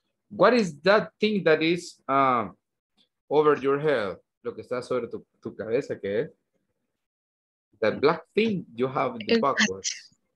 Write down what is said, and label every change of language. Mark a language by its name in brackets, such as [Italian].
[English] What is that thing that is over your head? [Spanish] Lo que está sobre tu cabeza, ¿qué es? [English] That black thing you have in the backwards.